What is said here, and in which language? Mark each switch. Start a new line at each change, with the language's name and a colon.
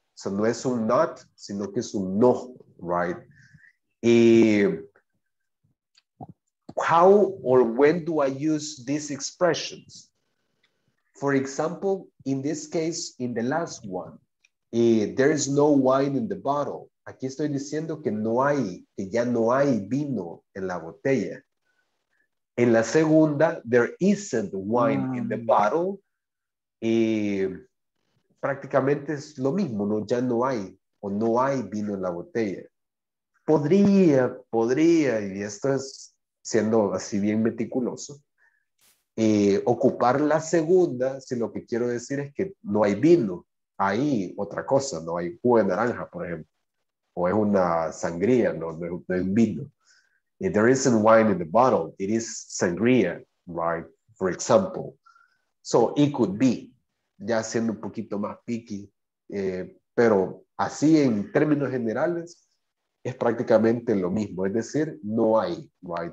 Spanish: So no es un not, sino que es un no, right?
English: How or when do I use these expressions? For example, in this case, in the last one, there is no wine in the bottle.
Spanish: Aquí estoy diciendo que no hay, que ya no hay vino en la botella. En la segunda,
English: there isn't wine in the bottle.
Spanish: Y prácticamente es lo mismo, ¿no? Ya no hay, o no hay vino en la botella. Podría, podría, y esto es siendo así bien meticuloso, ocupar la segunda, si lo que quiero decir es que no hay vino, hay otra cosa, no hay jugo de naranja, por ejemplo, o es una sangría, no, no, no hay vino.
English: If there isn't wine in the bottle, it is sangria, right? For example. So it could be,
Spanish: ya siendo un poquito más picky, pero así en términos generales, es prácticamente lo mismo, es decir, no hay, right?